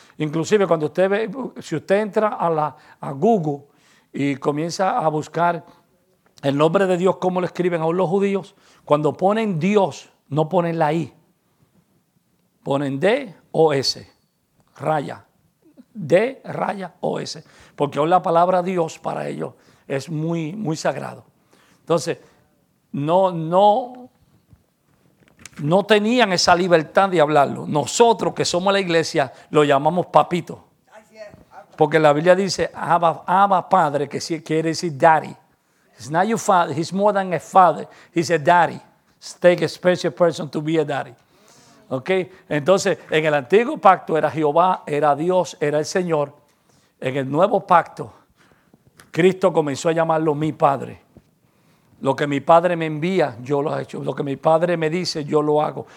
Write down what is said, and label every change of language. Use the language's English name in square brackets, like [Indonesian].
[Spanish] Inclusive cuando usted ve, si usted entra a Google y comienza a buscar el nombre de Dios, como lo escriben aún los judíos, cuando ponen Dios, no ponen la I, ponen D o S, raya, D, raya, O, S, porque aún la palabra Dios para ellos es muy, muy sagrado. Entonces, no tenían esa libertad de hablarlo. Nosotros que somos la iglesia lo llamamos papito. Porque la Biblia dice Abba Padre, que quiere decir daddy. [English] He's not your father, he's more than a father. He's a daddy. Take a special person to be a daddy. Okay? [Spanish] Entonces, en el antiguo pacto era Jehová, era Dios, era el Señor. En el nuevo pacto, Cristo comenzó a llamarlo mi padre. Lo que mi padre me envía, yo lo he hecho. Lo que mi padre me dice, yo lo hago.